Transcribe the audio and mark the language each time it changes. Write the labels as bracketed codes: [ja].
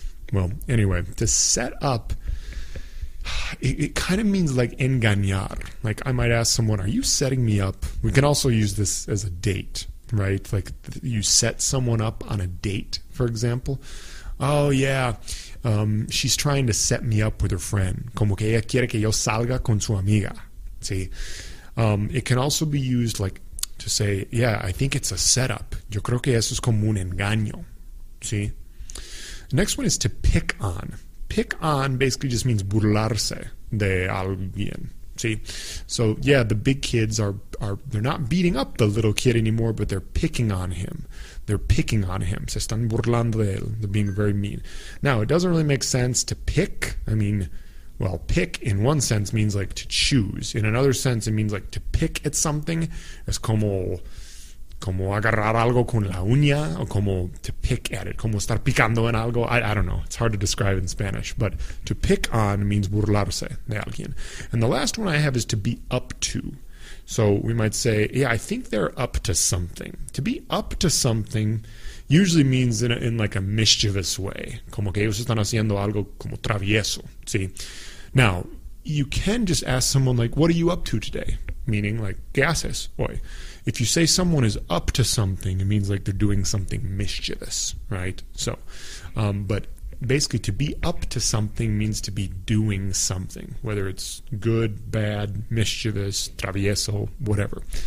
[en] Well, anyway, to set up. It kind of means like engañar. Like I might ask someone, are you setting me up? We can also use this as a date, right? Like you set someone up on a date, for example. Oh, yeah. She's trying to set me up with her friend. [es] Como que ella quiere que yo salga con su amiga. [en] See? It can also be used like to say, yeah, I think it's a setup. [es] Yo creo que eso es como un engaño. [en] See? Next one is to pick on. Pick on basically just means burlarse de alguien. See? So, yeah, the big kids are they're not beating up the little kid anymore, but they're picking on him. They're picking on him. Se están burlando de él. They're being very mean. Now, it doesn't really make sense to pick. I mean, well, pick in one sense means like to choose. In another sense, it means like to pick at something. [es] Es como agarrar algo con la uña, o como to pick at it, como estar picando en algo. [en] I don't know. It's hard to describe in Spanish. But to pick on means burlarse de alguien. And the last one I have is to be up to. So we might say, yeah, I think they're up to something. To be up to something usually means in like a mischievous way. [es] Como que ellos están haciendo algo como travieso. [en] See? Now, you can just ask someone like, what are you up to today? Meaning like, ¿qué haces hoy? If you say someone is up to something, it means like they're doing something mischievous, right? So, but basically to be up to something means to be doing something, whether it's good, bad, mischievous, travieso, whatever.